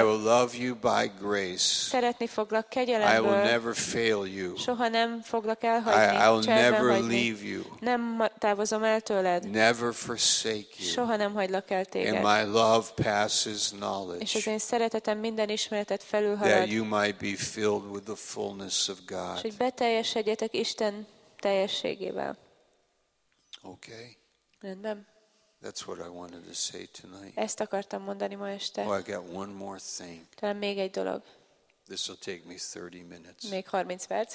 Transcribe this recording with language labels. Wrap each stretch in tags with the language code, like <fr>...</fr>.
<en>I will love you by grace.</en> <hu>Szeretni foglak kegyelemből.</hu> <en>I will never fail you.</en> <hu>Soha nem foglak elhagyni.</hu> <en>I will never leave you.</en> <hu>Nem távozom el tőled.</hu> <en>Never forsake you.</en> <hu>Soha nem hagylak el téged.</hu> <en>And my love passes knowledge.</en> <hu>És az én szeretetem minden ismeretet felülhalad.</hu> <en>That you might be filled with the fullness of God.</en> <hu>És hogy beteljesedjetek Isten teljességével.</hu> <en>Okay.</en> <hu>Rendben.</hu> <en>That's what I wanted to say tonight.</en> <hu>Ezt akartam mondani ma este.</hu> <en>Oh, I got one more thing.</en> <hu>Talán még egy dolog.</hu> <en>This will take me 30 minutes.</en> <hu>Még 30 perc.</hu>